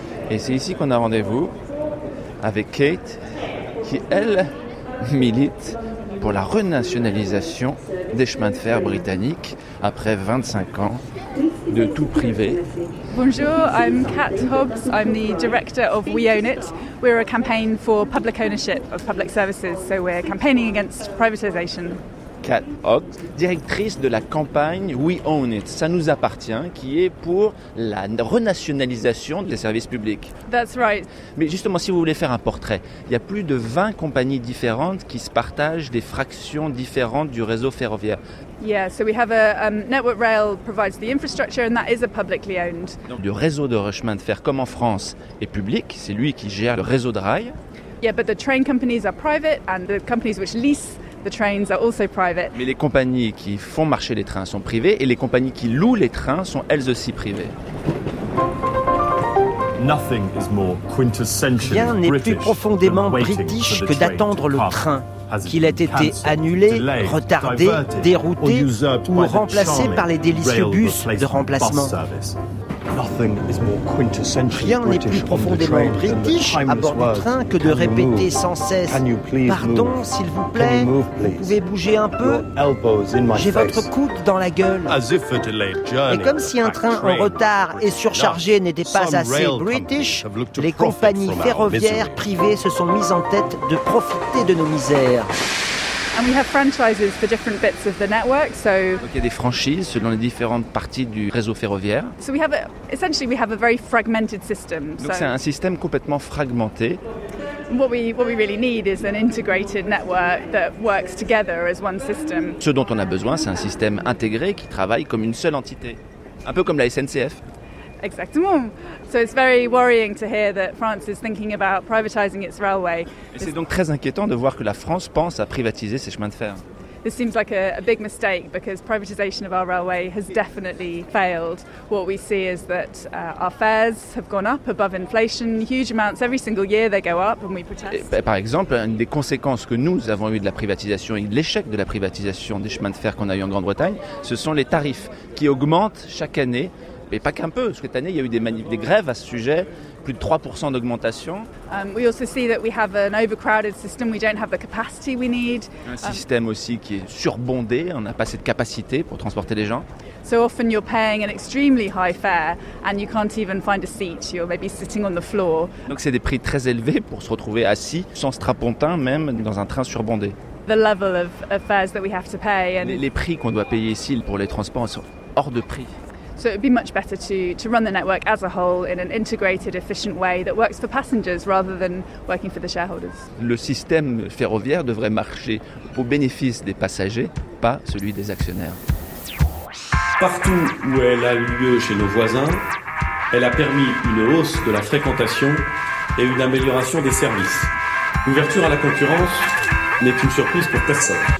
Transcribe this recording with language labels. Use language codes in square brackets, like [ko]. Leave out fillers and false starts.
[fr] Et c'est ici qu'on a rendez-vous avec Kate, qui, elle, milite pour la renationalisation des chemins de fer britanniques après 25 ans de tout privé. [en] Bonjour, I'm Kat Hobbs. I'm the director of We Own It. We're a campaign for public ownership of public services, so we're campaigning against privatization. [fr] Kat Hobbs, directrice de la campagne We Own It, ça nous appartient, qui est pour la renationalisation des services publics. [en] That's right. [fr] Mais justement, si vous voulez faire un portrait, il y a plus de 20 compagnies différentes qui se partagent des fractions différentes du réseau ferroviaire. [en] Yeah, so we have a Network Rail provides the infrastructure and that is a publicly owned. [fr] Donc, le réseau de chemin de fer, comme en France, est public, c'est lui qui gère le réseau de rail. [en] Yeah, but the train companies are private and the companies which lease the trains are also private. [fr] Mais les compagnies qui font marcher les trains sont privées et les compagnies qui louent les trains sont elles aussi privées. [en] Nothing is more quintessential [fr] Rien n'est [en] British [fr] plus profondément british que d'attendre le train, qu'il ait été annulé, retardé, dérouté ou remplacé par les délicieux bus de remplacement. [en] Nothing is more quintessential [fr] Rien n'est [en] British [fr] plus profondément british à bord du train que de répéter sans cesse « Pardon, [en] move? [fr] S'il vous plaît, [en] move, [fr] vous pouvez bouger un peu, j'ai votre coude dans la gueule. » Et comme si un train en retard et surchargé n'était pas assez british, les compagnies ferroviaires privées se sont mises en tête de profiter de nos misères. [en] And we have franchises for different bits of the network, so. [fr] Donc, il y a des franchises selon les différentes parties du réseau ferroviaire. [en] So we have essentially we have a very fragmented system. [fr] Donc [en] so [fr] c'est un système complètement fragmenté. [en] What we really need is an integrated network that works together as one system. [fr] Ce dont on a besoin, c'est un système intégré qui travaille comme une seule entité, un peu comme la SNCF. Exactement. [en] So it's very worrying to hear that France is thinking about privatizing its railway. [fr] Et c'est donc très inquiétant de voir que la France pense à privatiser ses chemins de fer. [en] This seems like a big mistake because privatization of our railway has definitely failed. What we see is that our fares have gone up above inflation, huge amounts every single year they go up and we protest. [fr] Et, par exemple, une des conséquences que nous avons eues de la privatisation et de l'échec de la privatisation des chemins de fer qu'on a eu en Grande-Bretagne, ce sont les tarifs qui augmentent chaque année. Mais pas qu'un peu, parce que cette année, il y a eu des grèves à ce sujet, plus de 3% d'augmentation. [en] We also see that we have an overcrowded system, we don't have the capacity we need. [fr] Un système aussi qui est surbondé, on n'a pas assez de capacité pour transporter les gens. [en] So often you're paying an extremely high fare and you can't even find a seat, you're maybe sitting on the floor. [fr] Donc c'est des prix très élevés pour se retrouver assis, sans strapontin même, dans un train surbondé. [en] The level of fares that we have to pay. And [fr] les prix qu'on doit payer ici pour les transports sont hors de prix. [en] So it would be much better to run the network as a whole in an integrated, efficient way that works for passengers rather than working for the shareholders. [fr] Le système ferroviaire devrait marcher au bénéfice des passagers, pas celui des actionnaires. Partout où elle a eu lieu chez nos voisins, elle a permis une hausse de la fréquentation et une amélioration des services. L'ouverture à la concurrence n'est qu'une surprise pour personne.